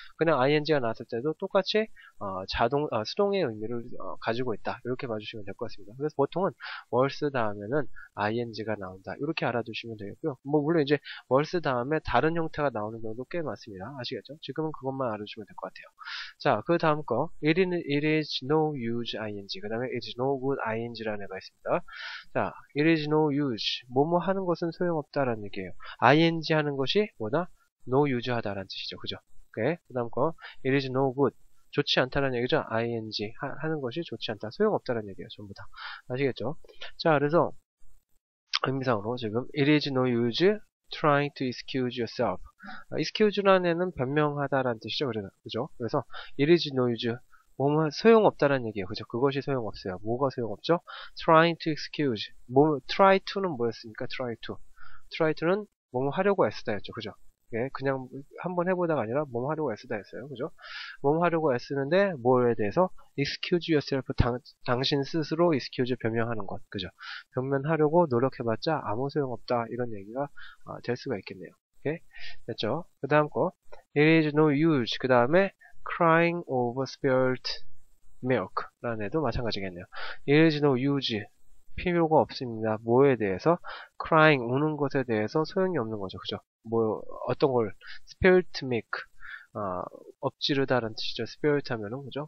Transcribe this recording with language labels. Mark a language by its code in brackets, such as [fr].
[ko] 그냥 ing가 나왔을 때도 똑같이, 수동의 의미를 가지고 있다. 이렇게 봐주시면 될것 같습니다. 그래서 보통은 worth 다음에는 ing가 나온다. 이렇게 알아두시면 되겠고요. 뭐 물론 이제 worth 다음에 다른 형태가 나오는 경우도 꽤 많습니다. 아시겠죠? 지금은 그것만 알아주시면 될것 같아요. 자, 그 다음 거 [en] it is no use ing. [ko] 그 다음에 [en] it is no good ing [ko] 라는 애가 있습니다. [en] 자, it is no use. [ko] 뭐뭐 하는 것은 소용없다라는 얘기예요. ing 하는 것이 뭐다? no use 하다라는 뜻이죠. 그죠? 오케이. 그 다음 거 [en] it is no good. [ko] 좋지 않다라는 얘기죠. ing 하는 것이 좋지 않다. 소용없다라는 얘기예요. 전부 다. 아시겠죠? 자, 그래서 의미상으로 지금 [en] it is no use trying to excuse yourself. [ko] excuse라는 애는 변명하다라는 뜻이죠. 그죠? 그래서 [en] it is no use [ko] 뭐뭐 소용없다라는 얘기예요. 그죠? 그것이 소용없어요. 뭐가 소용없죠? trying to excuse 뭐 try to는 뭐였습니까? try to는 뭐뭐 하려고 애쓰다였죠. 그죠? 예, 그냥 한번 해보다가 아니라 뭐뭐 하려고 애쓰다였어요. 그죠? 뭐뭐 하려고 애쓰는데 뭐에 대해서 [en] excuse yourself, [ko] 당신 스스로 excuse 변명하는 것, 그죠? 변명하려고 노력해봤자 아무 소용없다 이런 얘기가 될 수가 있겠네요. 예? 됐죠? 그 다음 거, [en] it is no use. [ko] 그 다음에 [en] crying over spilt milk [ko] 라는 애도 마찬가지겠네요. [en] it is no use. [ko] 필요가 없습니다. 뭐에 대해서 crying 우는 것에 대해서 소용이 없는 거죠. 그죠? 뭐 어떤 걸 spilt milk 엎지르다라는 뜻이죠. spilt 하면은 그죠?